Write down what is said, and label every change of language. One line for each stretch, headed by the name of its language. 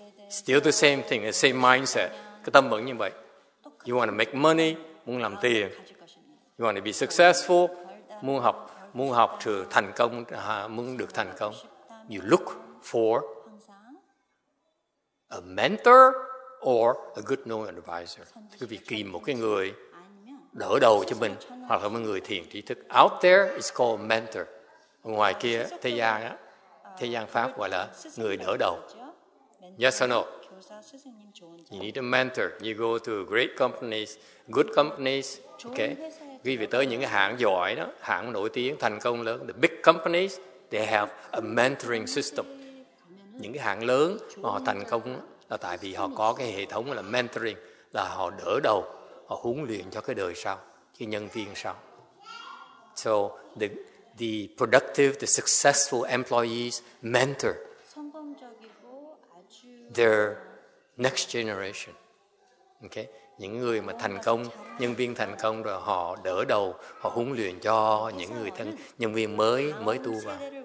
English: Still the same thing, the same mindset,
Vietnamese: cái tâm vẫn như vậy.
English: You want to make money,
Vietnamese: muốn làm tiền.
English: You want to be successful,
Vietnamese: muốn học trừ thành công, muốn được thành công.
English: You look for a mentor or a good known advisor.
Vietnamese: Thì quý vị tìm một cái người đỡ đầu cho mình hoặc là một người thiền trí thức.
English: Out there is called mentor.
Vietnamese: Ở ngoài kia thế gian á, thế gian Pháp gọi là người đỡ đầu.
English: Yes or no? You need a mentor. You go to great companies, good companies. Okay.
Vietnamese: Quý vị tới những cái hãng giỏi đó, hãng nổi tiếng, thành công lớn,
English: the big companies, they have a mentoring system.
Vietnamese: Những cái hãng lớn mà họ thành công là tại vì họ có cái hệ thống là mentoring, là họ đỡ đầu, họ huấn luyện cho cái đời sau, cái nhân viên sau.
English: So the productive, the successful employees mentor their next generation. Okay.
Vietnamese: Những người mà thành công, nhân viên thành công rồi họ đỡ đầu, họ huấn luyện cho những người thân, nhân viên mới tu vào.